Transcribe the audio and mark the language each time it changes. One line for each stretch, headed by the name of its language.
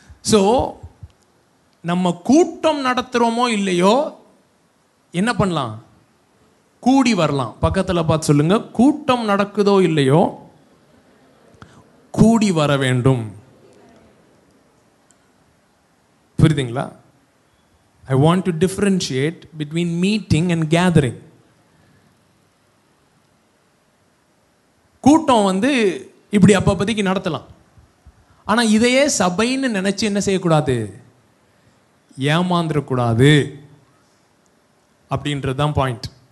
Tamil: So நம்ம கூட்டம் நடத்துகிறோமோ இல்லையோ என்ன பண்ணலாம் கூடி வரலாம். பக்கத்தில் பார்த்து சொல்லுங்க, கூட்டம் நடக்குதோ இல்லையோ கூடி வர வேண்டும், புரியுதுங்களா.
English: I want to differentiate between meeting and gathering.
Tamil: கூட்டம் வந்து இப்படி அப்பப்பதைக்கு நடத்தலாம், ஆனா இதையே சபைன்னு நினைச்சு என்ன செய்யக்கூடாது ஏமாந்துடக்கூடாது அப்படின்றதுதான் பாயிண்ட்.